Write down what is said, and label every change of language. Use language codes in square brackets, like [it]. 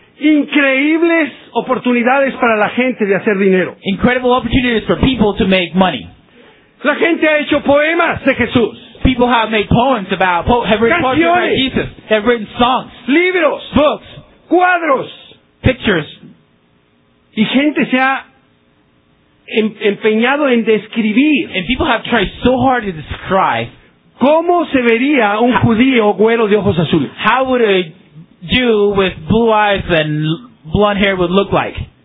[es] increíbles oportunidades para la gente de hacer dinero. [en] Incredible opportunities for people to make money. [es] La gente ha hecho poemas de Jesús. [en] People have made poems about, have written [es] canciones, [en] poems about Jesus. Have written songs. [es] Libros. [en] Books. [es] Cuadros. [en] Pictures. [es] Y gente se ha empeñado en describir. [en] And people have tried so hard to describe. [es] ¿Cómo se vería un judío güero de ojos azules? [en] How would a Jew with blue eyes and blonde hair would look like?